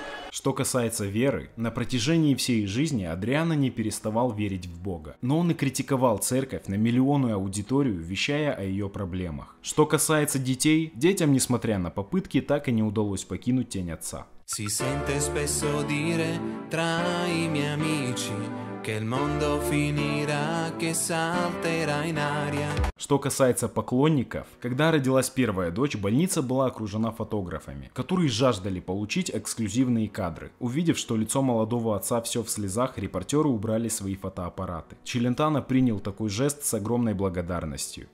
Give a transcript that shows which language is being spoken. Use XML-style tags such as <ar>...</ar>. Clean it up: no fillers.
<ru>Что касается веры, на протяжении всей жизни Адриано не переставал верить в Бога. Но он и критиковал церковь на миллионную аудиторию, вещая о ее проблемах. Что касается детей, детям, несмотря на попытки, так и не удалось покинуть тень отца.</ru> <it>Si sente spesso dire tra i miei amici che il mondo finirà, che salterà in aria.</it> <ru>Что касается поклонников, когда родилась первая дочь, больница была окружена фотографами, которые жаждали получить эксклюзивные кадры. Увидев, что лицо молодого отца все в слезах, репортеры убрали свои фотоаппараты. Челентано принял такой жест с огромной благодарностью.</ru>